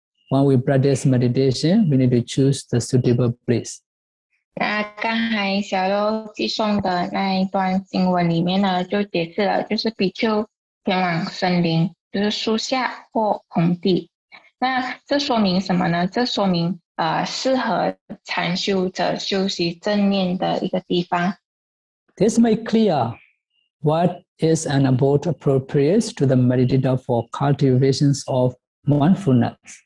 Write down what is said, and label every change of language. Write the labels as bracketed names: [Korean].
[English] When we practice meditation, we need to choose the suitable place. [Chinese] 那刚才小六寄送的那一段经文里面呢，就解释了，就是比丘前往森林，就是树下或空地。那这说明什么呢？这说明 适合禅修者休息正念的一个地方。 [English] This make clear what is an abode appropriate to the meditator for cultivations of mindfulness.